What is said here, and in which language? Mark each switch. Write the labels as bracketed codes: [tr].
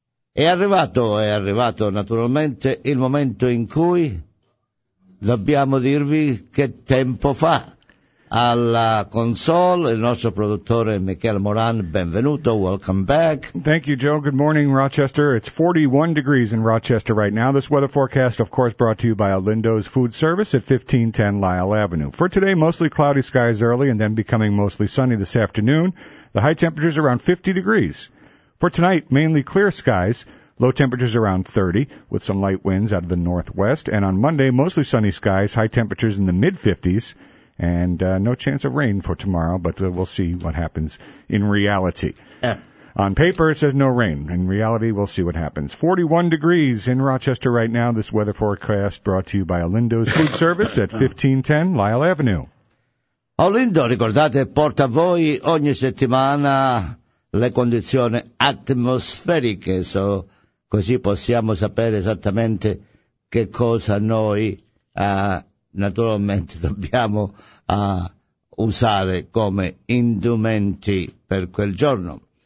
[it] È arrivato naturalmente il momento in cui dobbiamo dirvi che tempo fa. Alla console il nostro produttore Michele Moran, benvenuto, [en] welcome back. Thank you, Joe. Good morning, Rochester. It's 41 degrees in Rochester right now. This weather forecast, of course, brought to you by Olindo's Food Service at 1510 Lyle Avenue. For today, mostly cloudy skies early and then becoming mostly sunny this afternoon. The high temperatures around 50 degrees. For tonight, mainly clear skies, low temperatures around 30, with some light winds out of the northwest. And on Monday, mostly sunny skies, high temperatures in the mid-50s, and no chance of rain for tomorrow, but we'll see what happens in reality. On paper, it says no rain. In reality, we'll see what happens. 41 degrees in Rochester right now. This weather forecast brought to you by Olindo's Food Service at 1510 Lyle Avenue. [it] Olindo, ricordate, porta a voi ogni settimana le condizioni atmosferiche, so, così possiamo sapere esattamente che cosa noi naturalmente dobbiamo usare come indumenti per quel giorno.